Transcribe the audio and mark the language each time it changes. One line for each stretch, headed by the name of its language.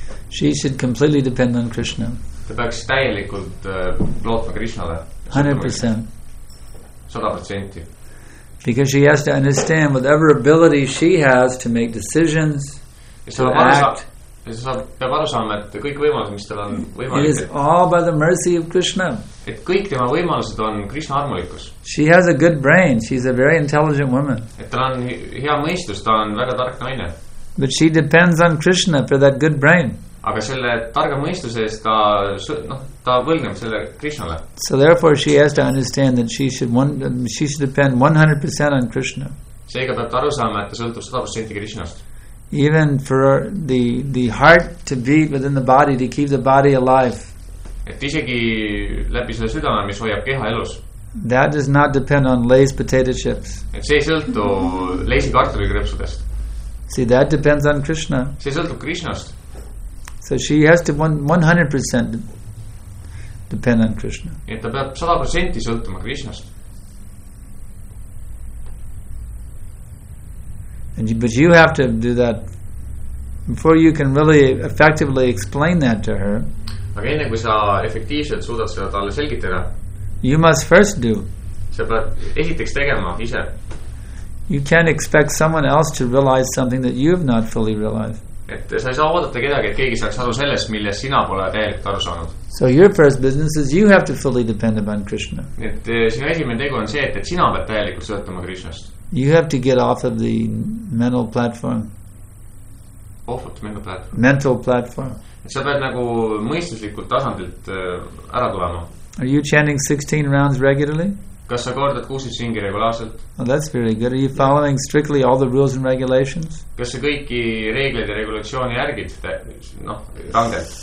English: She should completely depend on Krishna.
Estonian: Ta peaks täielikult lootma Krishnale.
English: 100%. Because she has to understand whatever ability she has to make decisions, to act.
Estonian: Peab aru saama, et kõik võimalused, mis tal on võimalik.
English: It is all by the mercy of Krishna.
Estonian: Et kõik tema võimalused on Krishna armulikus.
English: She has a good brain. She's a very intelligent woman.
Estonian: Et tal on hea mõistus. Ta on väga tark naine.
English: But she depends on Krishna for that good brain.
Estonian: Aga selle targa mõistuse eest ta, ta võlgneb selle Krishnale.
English: So therefore she has to understand that she should depend 100% on Krishna.
Estonian: Seega peab aru saama, et ta sõltub 100% Krishnast.
English: Even for the heart to beat within the body, to keep the body alive.
Estonian: Et isegi läbi selle südame, mis hoiab keha elus.
English: That does not depend on Lay's potato chips.
Estonian: Et see ei sõltu Lay's kartuli krepsudest.
English: See, that depends on Krishna.
Estonian: See sõltub Krishnast.
English: So she has to 100% depend on Krishna.
Estonian: Et ta peab 100% sõltuma Krishnast.
English: But you have to do that before you can really effectively explain that to her.
Estonian: Aga enne kui sa efektiivselt suudad seda talle selgitada.
English: You must first do.
Estonian: Sa pead esiteks tegema ise.
English: You can't expect someone else to realize something that you have not fully realized.
Estonian: Et sa ei saa oodata kedagi, et keegi saaks aru sellest, milles sina pole täielikult aru saanud.
English: So your first business is you have to fully depend upon Krishna.
Estonian: Et sinu esimene tegu on see, et sina pead täielikult sõltuma Krishnast.
English: You have to get off of the mental platform. Off of the mental platform. Mental platform.
Estonian: Sa pead nagu mõistuslikult tasandilt ära tulema.
English: Are you chanting 16 rounds regularly?
Estonian: Kas sa kordad 16 singi regulaarselt?
English: Oh, that's very good. Are you following strictly all the rules and regulations?
Estonian: Kas sa kõiki reegleid ja regulatsiooni järgid? Rangelt.